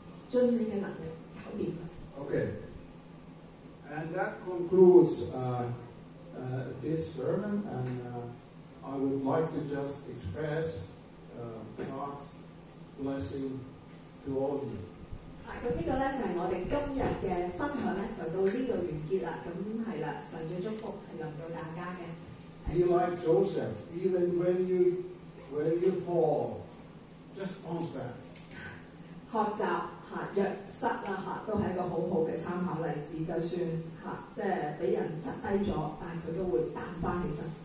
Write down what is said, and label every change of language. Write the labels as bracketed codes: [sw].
[yue] 盡你嘅能力搞掂佢。 [en] Okay. And that concludes this sermon, and I would like to just expressGod's blessing to all of you. [yue] 咁呢個咧就係我哋今日嘅分享咧，就到呢度完結啦。咁係啦，神嘅祝福係臨到大家嘅。 [en] Be like Joseph, even when you fall, just bounce back. [yue] 學習嚇，若失啦嚇，都係一個好好嘅參考例子。就算嚇，即係俾人擠低咗，但係佢都會彈翻起身。